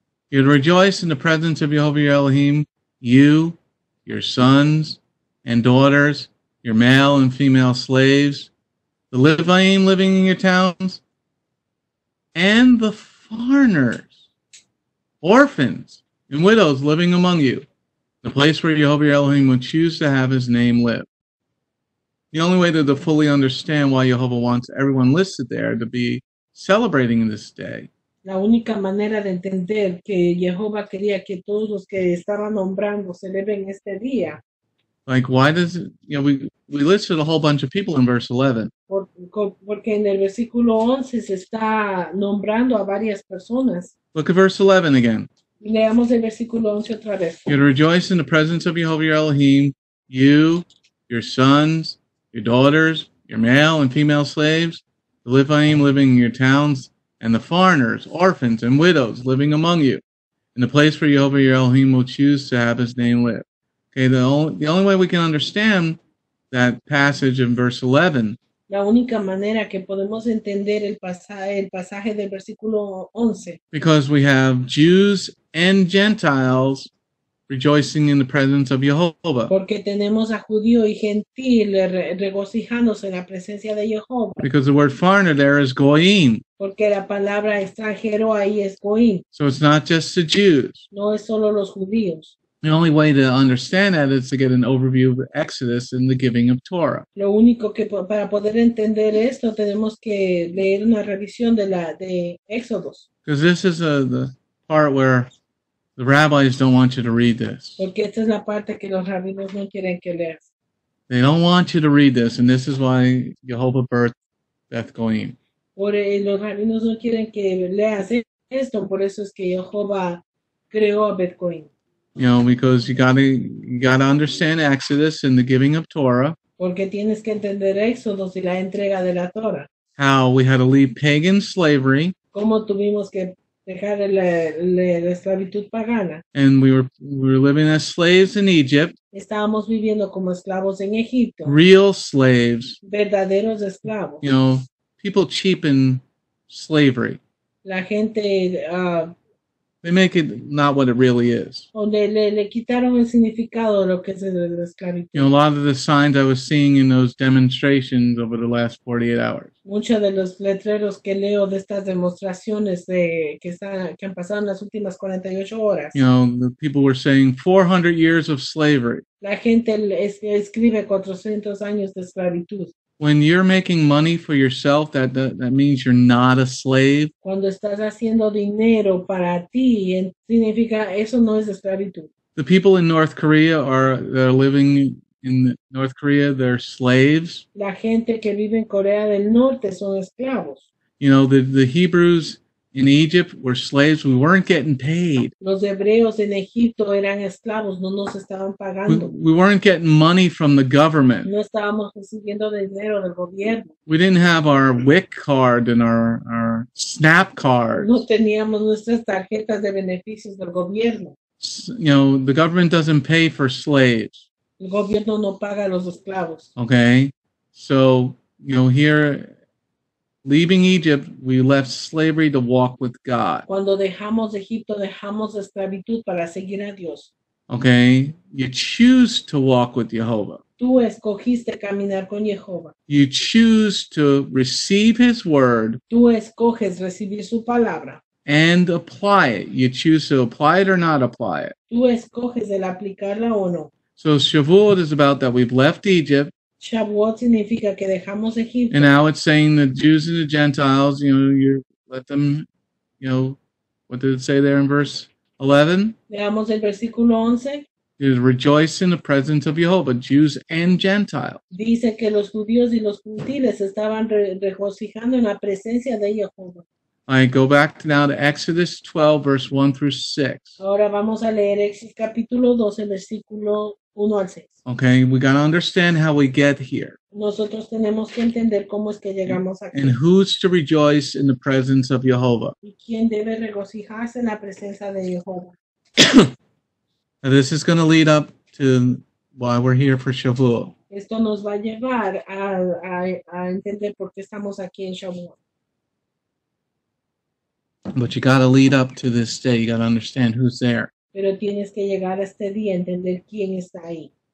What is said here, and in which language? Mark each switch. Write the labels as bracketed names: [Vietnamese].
[English] You are to rejoice in the presence of Yehovah your Elohim, you, your sons and daughters, your male and female slaves, the Levim living in your towns, and the foreigners, orphans, and widows living among you, the place where Yehovah your Elohim would choose to have his name live. The only way to fully understand why Jehovah wants everyone listed there to be celebrating this day. [Spanish] La única manera de entender que Jehovah quería que todos los que estaban nombrando celebren este día. [English] Like, why does it, you know, we listed a whole bunch of people in verse 11. [Spanish] Porque en el versículo 11 se está nombrando a varias personas. [English] Look at verse 11 again. [Spanish] Leamos el versículo 11 otra vez. [English] You are to rejoice in the presence of Jehovah your Elohim, you, your sons, your daughters, your male and female slaves, the Levim living in your towns, and the foreigners, orphans, and widows living among you, in the place where Yehovah your Elohim will choose to have his name live. Okay, the only way we can understand that passage in verse 11. [Spanish] La única manera que podemos entender el pasaje del versículo 11. [English] Because we have Jews and Gentiles rejoicing in the presence of Jehovah. [Spanish] Porque tenemos a judío y gentil regocijándose en la presencia de Jehovah. [English] Because the word foreigner there is goyim. [Spanish] Porque la palabra extranjero ahí es goyim. [English] So it's not just the Jews. [Spanish] No es solo los judíos. [English] The only way to understand that is to get an overview of Exodus and the giving of Torah. [Spanish] Lo único que para poder entender esto tenemos que leer una revisión de Éxodos. [English] Because this is the part where the rabbis don't want you to read this. [Spanish] Porque esta es la parte que los rabinos no quieren que leas. [English] They don't want you to read this, and this is why Jehovah birthed Beth Goyim. [Spanish] Porque los rabinos no quieren que leas esto, por eso es que Jehovah creó a Beth Goyim. [English] You know, because you gotta understand Exodus and the giving of Torah. [Spanish] Porque tienes que entender Éxodos y la entrega de la Torah. [English] How we had to leave pagan slavery. [Spanish] Cómo tuvimos que dejar la esclavitud pagana. [English] And we were living as slaves in Egypt. [Spanish] Estábamos viviendo como esclavos en Egipto. [English] Real slaves. [Spanish] Verdaderos esclavos. [English] You know, people cheapen slavery. [Spanish] La gente [English] They make it not what it really is. [Spanish] Le quitaron el significado de lo que es la esclavitud. [English] You know, a lot of the signs I was seeing in those demonstrations over the last 48 hours. [Spanish] Muchos de los letreros que leo de estas demostraciones que han pasado en las últimas 48 horas. [English] You know, the people were saying 400 years of slavery. [Spanish] La gente escribe 400 años de esclavitud. [English] When you're making money for yourself, that means you're not a slave. [Spanish] Cuando estás haciendo dinero para ti, significa eso no es esclavitud. [English] The people in North Korea are living in North Korea, they're slaves. [Spanish] La gente que vive en Corea del Norte son esclavos. [English] You know, the Hebrews In Egypt, we're slaves. We weren't getting paid. [Spanish] Los hebreos en Egipto eran esclavos. No nos estaban pagando. [English] We weren't getting money from the government. [Spanish] No estábamos recibiendo dinero del gobierno. [English] We didn't have our WIC card and our SNAP card. [Spanish] No teníamos nuestras tarjetas de beneficios del gobierno. [English] You know, the government doesn't pay for slaves. [Spanish] El gobierno no paga a los esclavos. [English] Okay. So, you know, here, leaving Egypt, we left slavery to walk with God. [Spanish] Cuando dejamos Egipto, dejamos esclavitud para seguir a Dios. [English] Okay, you choose to walk with Jehovah. [Spanish] Tú escogiste caminar con Jehovah. [English] You choose to receive His word. [Spanish] Tú escoges recibir su palabra. [English] And apply it. You choose to apply it or not apply it. [Spanish] Tú escoges el aplicarla o no. [English] So Shavuot is about that we've left Egypt. [Spanish] Shavuot significa que dejamos Egipto. [English] And now it's saying the Jews and the Gentiles, you know, you let them, you know, what did it say there in verse 11? [Spanish] Leamos el versículo 11. [English] It rejoice in the presence of Jehovah, Jews and Gentiles. [Spanish] Dice que los judíos y los gentiles estaban regocijando en la presencia de Jehovah. [English] I go back now to Exodus 12, verse 1 through 6. [Spanish] Ahora vamos a leer Exodus capítulo 12, versículo 1 al 6. [English] Okay, we got to understand how we get here. [Spanish] Nosotros tenemos que entender cómo es que llegamos aquí. [English] And who's to rejoice in the presence of Jehovah. [Spanish] Y quién debe regocijarse en la presencia de Jehovah. [English] Now this is going to lead up to why we're here for Shavuot. [Spanish] Esto nos va a llevar a entender por qué estamos aquí en Shavuot. [English] But you got to lead up to this day. You got to understand who's there. [Spanish] Pero tienes que llegar a este día y entender quién está ahí.